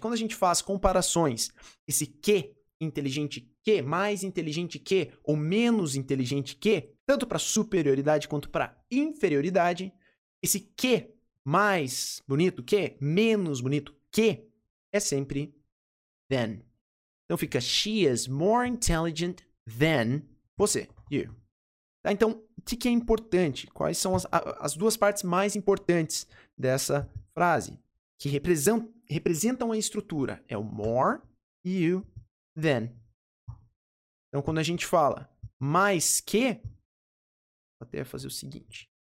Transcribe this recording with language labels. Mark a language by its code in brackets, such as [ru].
[pt] Quando a gente faz comparações, esse que inteligente que, mais inteligente que, ou menos inteligente que, tanto para superioridade quanto para inferioridade, esse que mais bonito que, menos bonito que, é sempre than. Então fica [en] she is more intelligent than você, you. [pt] Tá, então, o que é importante? Quais são as duas partes mais importantes dessa frase? Que representam a estrutura. É o more, you, then. Então, quando a gente fala mais que, vou até fazer o seguinte.